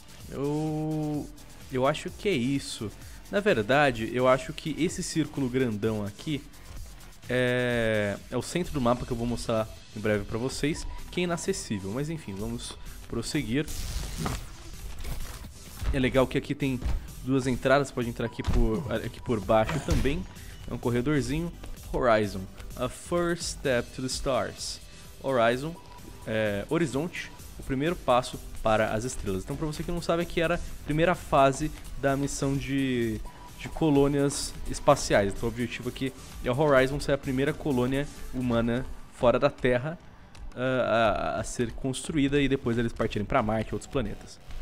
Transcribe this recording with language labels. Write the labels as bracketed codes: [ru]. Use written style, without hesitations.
[pt] Eu acho que é isso. Na verdade, eu acho que esse círculo grandão aqui é o centro do mapa, que eu vou mostrar em breve para vocês, que é inacessível. Mas enfim, vamos prosseguir. É legal que aqui tem duas entradas, pode entrar aqui por baixo também. É um corredorzinho. [en] Horizon, a first step to the stars. [pt] Horizon, horizonte, o primeiro passo para as estrelas. Então, para você que não sabe, aqui era a primeira fase da missão de colônias espaciais. Então, o objetivo aqui é o Horizon ser a primeira colônia humana fora da Terra a ser construída, e depois eles partirem para Marte e outros planetas.